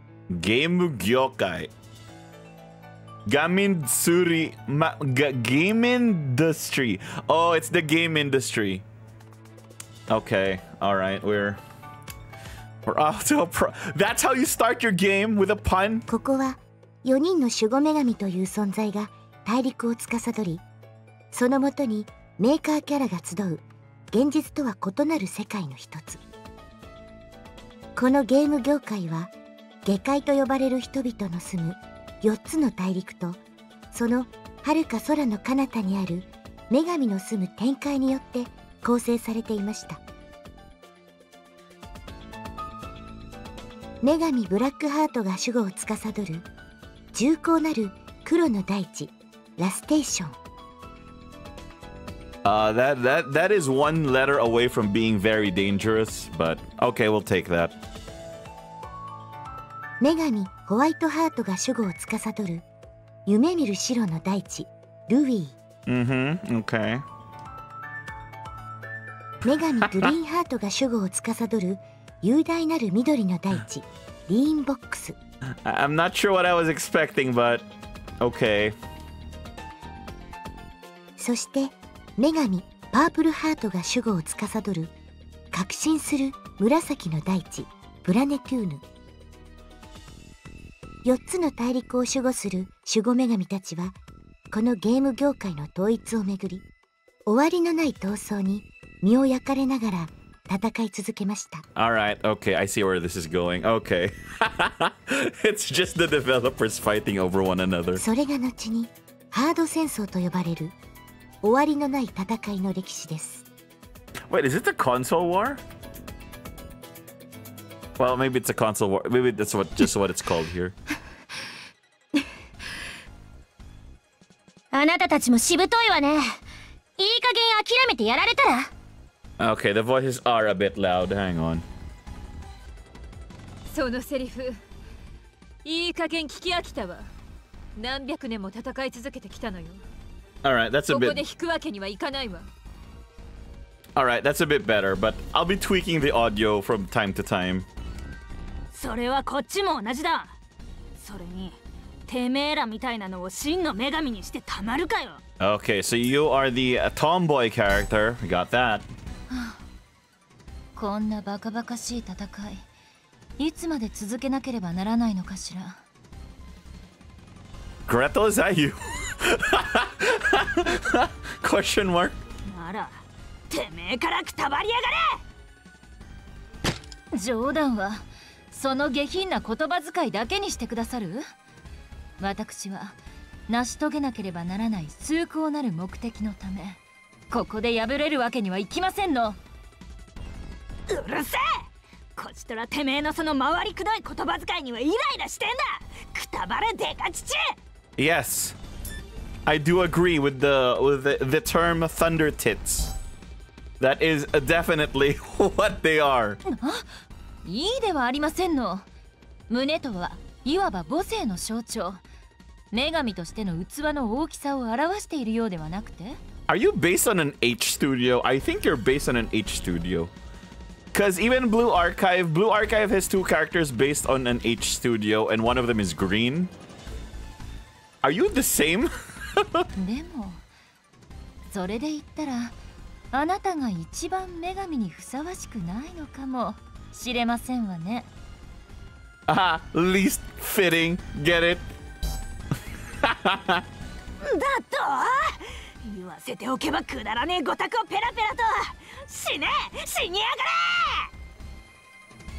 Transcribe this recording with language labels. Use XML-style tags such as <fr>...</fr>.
<en>Game</en> <ja>業界.</ja> <en>Game industry. Oh, it's the game industry. Okay, all right, we're off to a pro. That's how you start your game with a pun.</en> <ja>ここは四人の守護女神という存在が大陸を司り、そのもとにメーカーキャラが集う現実とは異なる世界の一つ。このゲーム業界は下界と呼ばれる人々の住む四つの大陸とその遥か空の彼方にある女神の住む天界によって構成されていました。女神ブラックハートが守護を司る重厚なる黒の大地ラステーション。</ja> <en>That is one letter away from being very dangerous, but okay, we'll take that.</en> <ja>女神ホワイトハートが守護を司る夢見る白の大地ルビー。</ja> <en>Mm-hmm. Okay.</en> <ja>女神グリーンハートが守護を司る雄大なる緑の大地リーンボックス。</ja> <en>I'm not sure what I was expecting, but okay.</en> <ja>そして女神パープルハートが守護を司る革新する紫の大地プラネテューヌ。四つの大陸を守護する守護女神たちはこのゲーム業界の統一をめぐり終わりのない闘争に身を焼かれながら戦い続けました。</ja> <en>All right, okay, I see where this is going. Okay. It's just the developers fighting over one another.</en> <ja>それが後にハード戦争と呼ばれる終わりのない戦いの歴史です。</ja> <en>Wait, is it the console war? Well, maybe it's a console war. Maybe that's what, just what it's called here.</en> <ja>あなたたちもしぶといわね。いい加減諦めてやられたら。</ja> <en>Okay, the voices are a bit loud. Hang on.</en> <ja>そのセリフ、いい加減聞き飽きたわ。何百年も戦い続けてきたのよ。</ja> <en>All right, that's a bit.</en> <ja>ここで引くわけにはいかないわ。</ja> <en>All right, that's a bit better, but I'll be tweaking the audio from time to time.</en> <ja>それはこっちも同じだ。それに、てめえらみたいなのを真の女神にしてたまるかよ。</ja> <en>Okay, so you are the tomboy character. Got that.</en> <ja>こんなバカバカしい戦い、いつまで続けなければならないのかしら。</ja> <en>Gretel, is that you? Question mark.</en> <ja>なら、てめえからくたばりやがれ。冗談は、その下品な言葉遣いだけにしてくださる？私は、成し遂げなければならない崇高なる目的のため、ここで敗れるわけにはいきませんの。うるせえ！こちとらてめえのその回りくどい言葉遣いにはイライラしてんだ！くたばれデカ父！</ja> <en>Yes, I do agree with the term thunder tits. That is definitely what they are.</en> <ja>いいではありませんの。胸とはいわば母性の象徴。女神としての器の大きさを表しているようではなくて。</ja> <en>Are you based on an H studio? I think you're based on an H studio. Because even Blue Archive has two characters based on an H studio, and one of them is green. Are you the same?</en> <ja>でも、それで言ったら、あなたが一番女神にふさわしくないのかもしれませんわね。</ja> <en>Ah, least fitting. Get it?</en> <ja>だと言わせておけばくだらねえごたくをペラペラと死ね死にやがれ</ja>